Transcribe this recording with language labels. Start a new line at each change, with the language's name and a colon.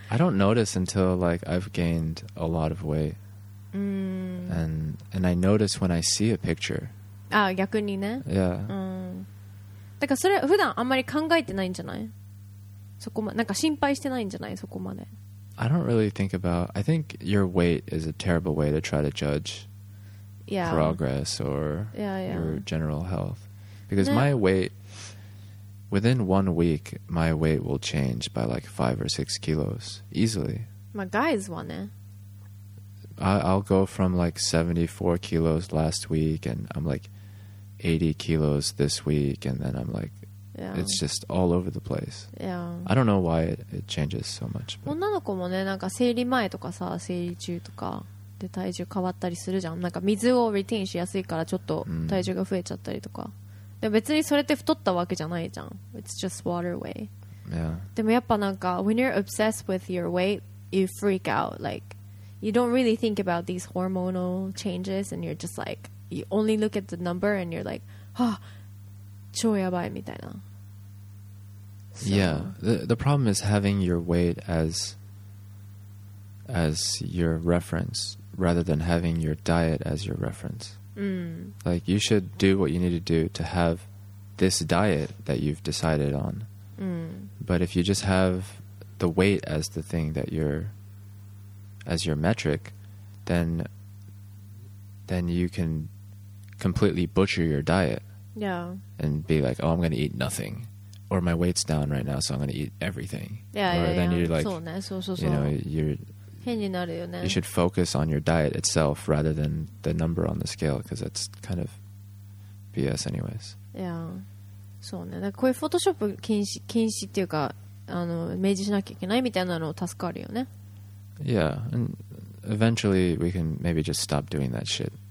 English: I don't notice until like I've gained a lot of weight. And I notice when I see a picture.
Japanese: あ、逆にね。
English: Yeah.
Japanese: だからそれ普段あんまり考えてないんじゃない？そこまなんか心配してないんじゃない？そこまで。
English: I don't really think about. I think your weight is a terrible way to try to judge progress or your general health. Because my weight. Within 1 week, my weight will change by like 5 or 6 kilos easily. My guys want it. I'll go from like 74 kilos last week, and I'm like 80 kilos this week, and then I'm like, yeah. It's just all over the place. Yeah. I don't know why it changes so much. But...
Japanese: 女の子もね、なんか生理前とかさ、生理中とかで体重変わったりするじゃん。なんか水をリテインしやすいからちょっと体重が増えちゃったりとか。 Mm. 別にそれって太ったわけじゃないじゃん。
English: It's just water weight. Yeah.
Japanese: でもやっぱなんか
English: when you're obsessed with your weight, you freak out. Like, you don't really think about these hormonal changes, and you're just like, you only look at the number, and you're like, ha,、oh,
Japanese: 超やばいみたいな。
English: So. Yeah. The problem is having your weight as your reference, rather than having your diet as your reference. Like you should do what you need to do to have this diet that you've decided on. But if you just have the weight as the thing that you're as your metric, then you can completely butcher your diet. Yeah. And be like, oh, I'm going to eat nothing, or my weight's down right now, so I'm going to eat everything. You're like,
Japanese: そうね。
English: you know, you're.
Japanese: 変になるよね。
English: You should focus on your diet itself rather than the number on the scale because that's kind of BS anyways. Yeah.
Japanese: そうね。だからこういうフォトショップ禁止っていうか、あの、明示しなきゃいけないみたいなのを助かるよね。
English: Yeah. And eventually we can maybe just stop doing that shit.